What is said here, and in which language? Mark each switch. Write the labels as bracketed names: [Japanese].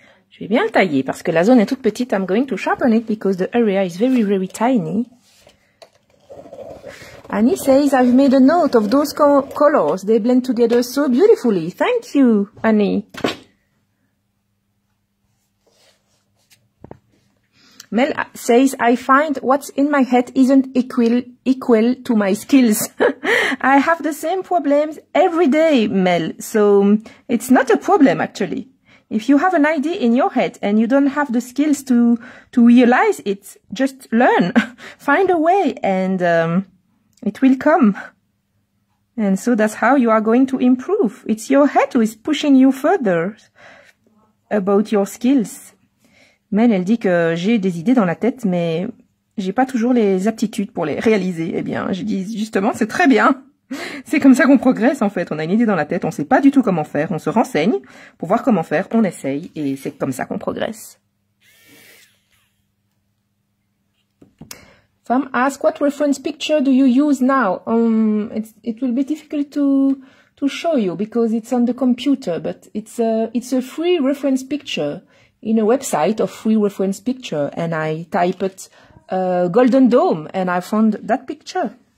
[French] Je vais bien le tailler parce que la zone est toute petite. [English] I'm going to sharpen it because the area is very, very tiny. Annie says, I've made a note of those colors. They blend together so beautifully. Thank you, Annie. Mel says, I find what's in my head isn't equal to my skills. I have the same problems every day, Mel. So it's not a problem, actually. If you have an idea in your head and you don't have the skills to realize it, just learn, find a way, and it will come. And so that's how you are going to improve. It's your head who is pushing you further about your skills. [French] Mel, elle dit que j'ai des idées dans la tête, mais j'ai pas toujours les aptitudes pour les réaliser. Eh bien, je dis justement, c'est très bien. C'est comme ça qu'on progresse en fait, on a une idée dans la tête, on ne sait pas du tout comment faire, on se renseigne pour voir comment faire, on essaye et c'est comme ça qu'on progresse. [English] Fam ask what reference picture do you use now? It will be difficult to show you because it's on the computer, but it's a free reference picture in a website of free reference picture, and I type it Golden Dome and I found that picture.